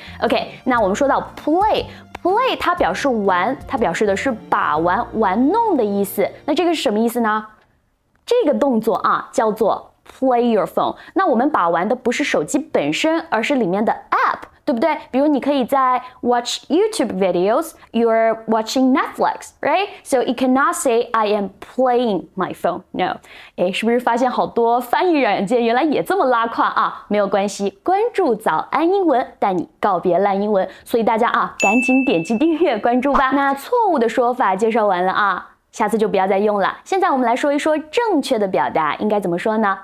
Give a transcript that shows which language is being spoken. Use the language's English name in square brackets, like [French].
[Chinese] OK, 那我们说到 playPlay 它表示玩，它表示的是把玩、玩弄的意思。那这个是什么意思呢？这个动作啊叫做 [English] play your phone。 [Chinese] 那我们把玩的不是手机本身，而是里面的 app, 对不对？比如你可以在 [English] watch YouTube videos, you're watching Netflix, right? So you cannot say I am playing my phone, no. [Chinese] 诶，是不是发现好多翻译软件原来也这么拉胯啊？没有关系，关注早安英文，带你告别烂英文。所以大家啊，赶紧点击订阅关注吧。那错误的说法介绍完了啊。下次就不要再用了。现在我们来说一说正确的表达应该怎么说呢？